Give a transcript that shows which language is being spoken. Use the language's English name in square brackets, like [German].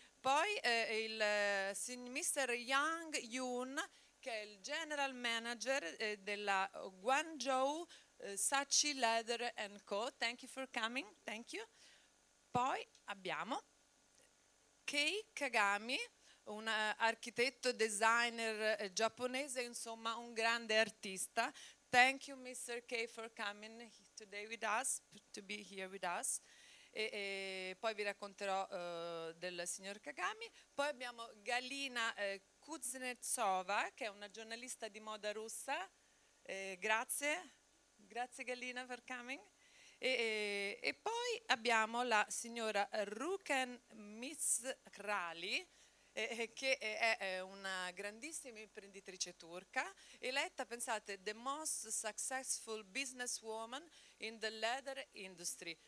[Italian] Poi il Mr. Yang Yun, che è il general manager della Guangzhou Sachi Leather and Co. [English] Thank you for coming, thank you. [Italian] Poi abbiamo Kei Kagami, un architetto designer giapponese, insomma un grande artista. [English] Thank you Mr. Kei for coming today with us, to be here with us. [Italian] E poi vi racconterò del signor Kagami. Poi abbiamo Galina Kuznetsova, che è una giornalista di moda russa. Grazie Galina [English] for coming. [Italian] E poi abbiamo la signora Ruken Mizrali, che è una grandissima imprenditrice turca, eletta, pensate, [English] the most successful businesswoman in the leather industry.